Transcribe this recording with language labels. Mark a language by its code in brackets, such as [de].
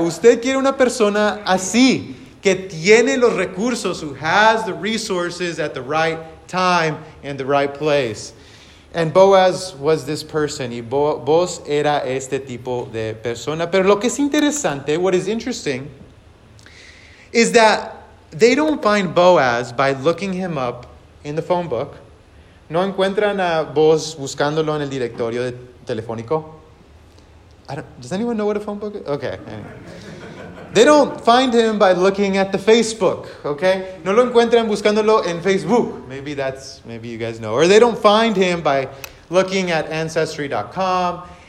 [es] Usted quiere una persona así, que tiene los recursos, [en] who has the resources at the right time and the right place. And Boaz was this person. [es] Y Boaz era este tipo de persona. Pero lo que es interesante, [en] what is interesting, is that they don't find Boaz by looking him up in the phone book. [es] No encuentran a Boaz buscándolo en el directorio de telefónico. [en] Does anyone know what a phone book is? Okay. They don't find him by looking at the Facebook, okay? [es] No lo encuentran buscándolo en Facebook. [en] Maybe you guys know. Or they don't find him by looking at Ancestry.com.